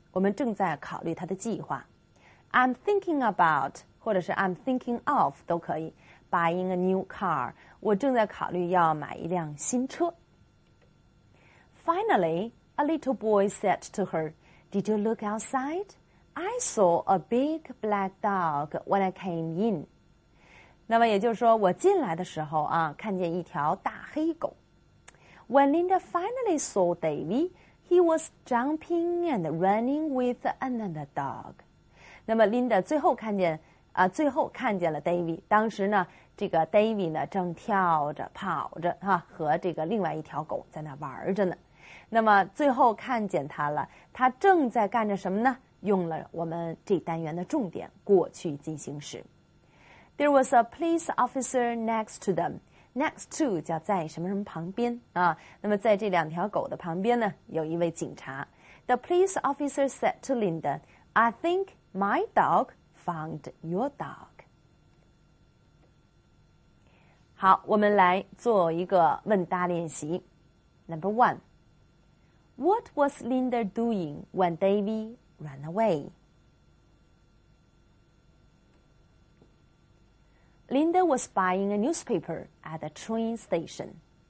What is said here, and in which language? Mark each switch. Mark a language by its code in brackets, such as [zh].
[zh] 我们正在考虑他的计划。 [en] I'm thinking about, [zh] 或者是 [en] I'm thinking of, [zh] 都可以。 [en] Buying a new car. [zh] 我正在考虑要买一辆新车。 [en] Finally, a little boy said to her, Did you look outside? I saw a big black dog when I came in. [zh] 那么也就是说我进来的时候啊看见一条大黑狗。 [en] When Linda finally saw David,He was jumping and running with another dog. [zh] 那么 Linda 最后看见了 David. 当时呢，这个 David 呢正跳着跑着哈，和这个另外一条狗在那玩着呢。那么最后看见他了，他正在干着什么呢？用了我们这单元的重点过去进行时。 [en] There was a police officer next to them. [zh] Next to 叫在什么什么旁边啊？那么在这两条狗的旁边呢，有一位警察。 [en] The police officer said to Linda, "I think my dog found your dog." [zh] 好，我们来做一个问答练习。 [en] Number one, What was Linda doing when David ran away? Linda was buying a newspaper. At the train station.